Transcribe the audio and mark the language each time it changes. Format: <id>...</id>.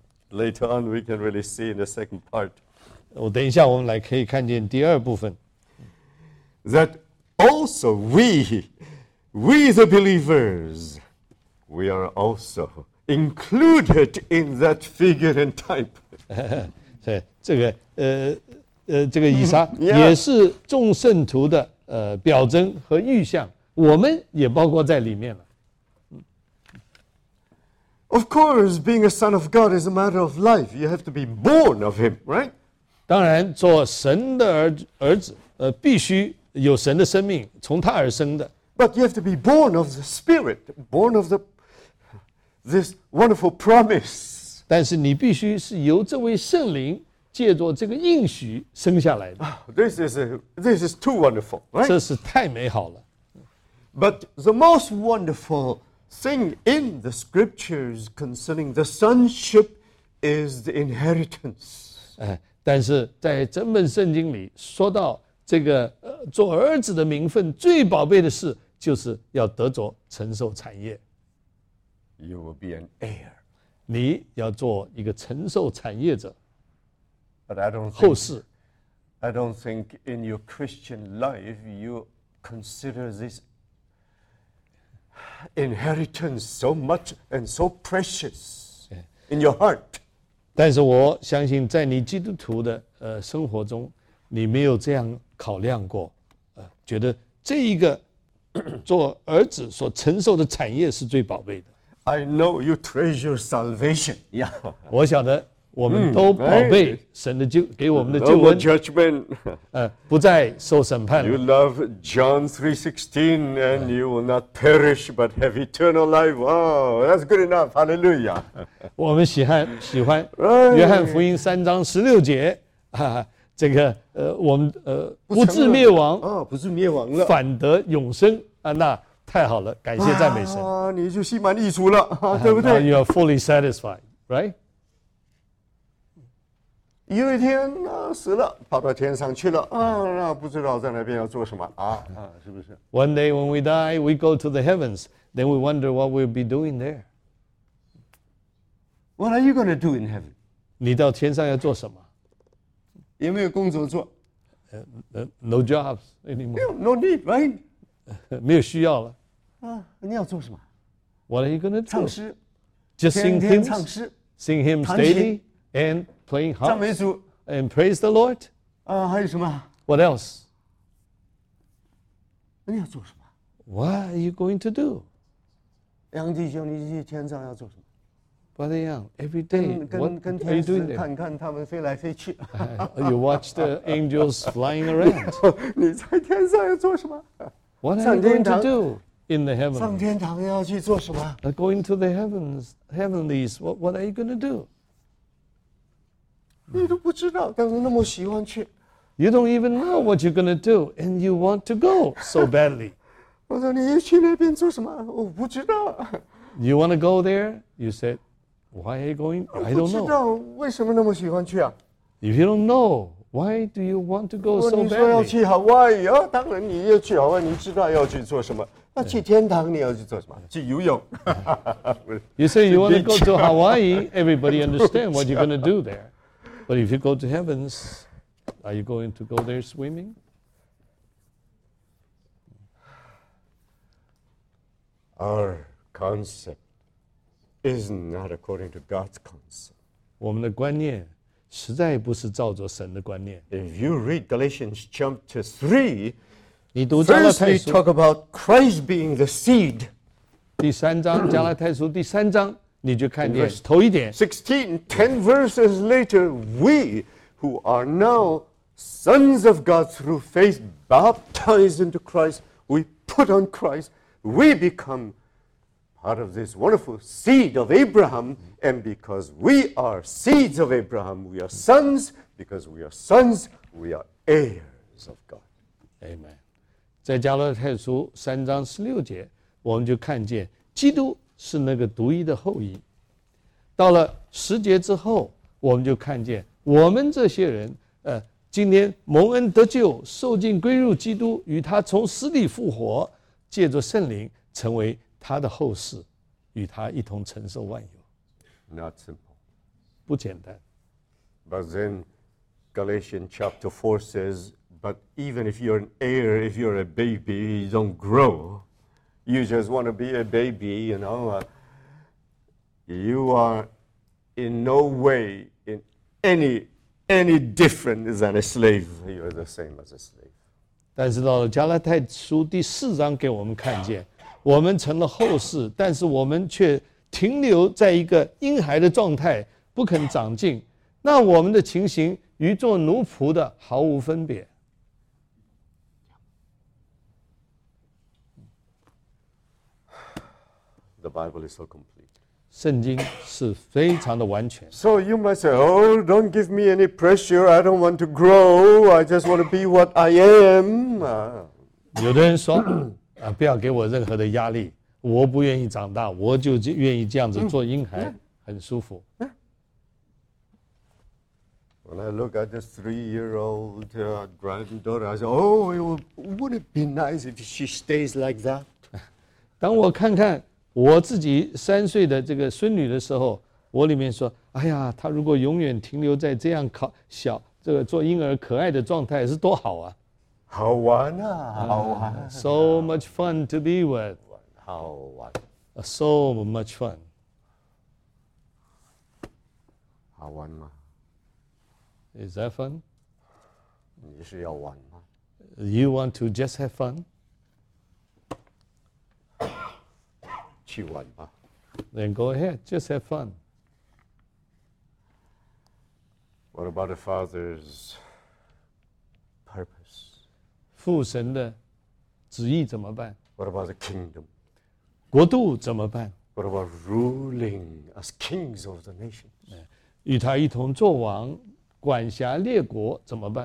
<en>Later on, we can really see in the second part.</en> <zh>我等一下我们来可以看见第二部分。</zh> <en>That also we the believers, we are also included in that figure and type.</en> <zh>是这个这个以撒也是众圣徒的表征和预象，我们也包括在里面了。</zh> <en>Of course, being a son of God is a matter of life. You have to be born of Him, right?</en> <zh>当然，做神的儿子，必须。有神的生命，从他而生的。</zh> <en>But you have to be born of the Spirit, born of this wonderful promise.</en> <zh>但是你必须是由这位圣灵借着这个应许生下来的。</zh> <en>This is too wonderful, right?</en> <zh>这是太美好了。</zh> <en>But the most wonderful thing in the Scriptures concerning the sonship is the inheritance.</en> <zh>但是在整本圣经里说到。这个做儿子的名分最宝贝的事，就是要得着承受产业。</zh> <en>You will be an heir.</en> <zh>你要做一个承受产业者。</zh> <en>But I don't.</en> <zh>后世。</zh> <en>I don't think in your Christian life you consider this inheritance so much and so precious in your heart.</en> <zh>但是我相信，在你基督徒的生活中，你没有这样。考量过，觉得这一个做儿子所承受的产业是最宝贝的。</zh> <en>I know you treasure salvation. Yeah.</en> <zh>我晓得我们都宝贝神的救，给我们的救恩。</zh> <en>No more judgment.</en> <zh>不再受审判。</zh> <en>You love John 3:16, and you will not perish but have eternal life. Wow, that's good enough. Hallelujah.</en> <zh>我们喜欢约翰福音三章十六节。这个我们不致灭亡啊，不致灭亡了，反得永生啊，那太好了，感谢赞美神啊，你就心满意足了、对不对</zh> <en>？You are fully satisfied, right?</en> <zh>有一天啊死了，跑到天上去了啊，那不知道在那边要做什么啊，是不是</zh> <en>？One day when we die, we go to the heavens, then we wonder what we'll be doing there. What are you going to do in heaven?</en> <zh>你到天上要做什么？有没有工作做</zh> <en>？No jobs anymore. No need, right?</en> <zh>没有需要了。你要做什么</zh> <en>？What are you going to do?</en> <zh>唱诗。</zh> <en>Just sing hymns.</en> <zh>唱诗。</zh> <en>Sing hymns daily and playing harp.</en> <zh>赞美主。</zh> <en>And praise the Lord.</en> <zh>还有什么</zh> <en>？What else?</en> <zh>你要做什么</zh> <en>？What are you going to do?</en> <zh>杨弟兄，你去天上要做什么？</zh> <en>Brother Young, every day, what are you doing there?</en> <zh>看看他们飞来飞去。</zh> <en>You watch the angels flying around.</en> <zh>你在天上要做什么</zh> <en>？What are you going to do in the heavens?</en> <zh>上天堂要去做什么</zh> <en>？Going to the heavens, heavenlies. What are you going to do?</en> <zh>你都不知道，但是那么喜欢去。</zh> <en>You don't even know what you're going to do, and you want to go so badly.</en> <zh>我说你要去那边做什么？我不知道。</zh> <en>You want to go there? You said. Why are you going? I don't know.</en> <zh>不知道为什么那么喜欢去啊。</zh> <en>If you don't know, why do you want to go so badly?</en> <zh>你说要去 Hawaii 啊，当然你要去 Hawaii， 你知道要去做什么？那去天堂你要去做什么？去游泳。</zh> <en>You say you want to go to Hawaii. Everybody understand what you're going to do there. But if you go to heavens, are you going to go there swimming? Our concept. Is not according to God's concept.</en> <zh>我们的观念实在不是照着神的观念。</zh> <en>If you read Galatians chapter 3,</en> <zh>你读加拉太书。</zh> <en>First, we talk about Christ being the seed.</en> <zh>第三章加拉太书第三章，你就看见头一点。</zh> <en>16, 10 verses later, we who are now sons of God through faith, baptized into Christ, we put on Christ, we become out of this wonderful seed of Abraham, and because we are seeds of Abraham, we are sons. Because we are sons, we are heirs of God. Amen.</en> <zh>在加勒太书三章十六节，我们就看见基督是那个独一的后裔。到了十节之后，我们就看见我们这些人，今天蒙恩得救，受尽归入基督，与他从死里复活，借着圣灵成为他的后世，与他一同承受万有。</zh> <en>Not simple.</en> <zh>不简单。</zh> <en>But then Galatians chapter 4 says, but even if you're an heir, if you're a baby, you don't grow. You just want to be a baby, you know. You are in no way in any different than a slave. You're the same as a slave.</en> <zh>但是到了加拉太书第四章给我们看见，我们成了后世，但是我们却停留在一个婴孩的状态，不肯长进。那我们的情形与做奴仆的毫无分别。</zh> <en>The Bible is so complete.</en> <zh>圣经是非常的完全。</zh> <en>So you might say, oh, don't give me any pressure. I don't want to grow. I just want to be what I am.</en> <zh>有的人说啊，不要给我任何的压力，我不愿意长大，我就愿意这样子做婴孩，很舒服。</zh> <en>When I look at this three-year-old granddaughter, I say, "Oh, wouldn't it be nice if she stays like that?"</en> <zh>当我看看我自己三岁的这个孙女的时候，我里面说：“哎呀，她如果永远停留在这样小这个做婴儿可爱的状态，是多好啊！” 好玩啊，好玩、</zh> <en>！So much fun to be with.</en> <zh>好玩</zh> <en>，So much fun.</en> <zh>好玩吗</zh> <en>？Is that fun?</en> <zh>你是要玩吗</zh> <en>？You want to just have fun?</en> <zh>去玩吧。</zh> <en>Then go ahead, just have fun. What about the father's purpose?</en> <zh>父神的旨意怎么办</zh> <en>？What about the kingdom?</en> <zh>国度怎么办</zh> <en>？What about ruling as kings of the nations?</en> <zh>与他一同作王，管辖列国怎么办</zh>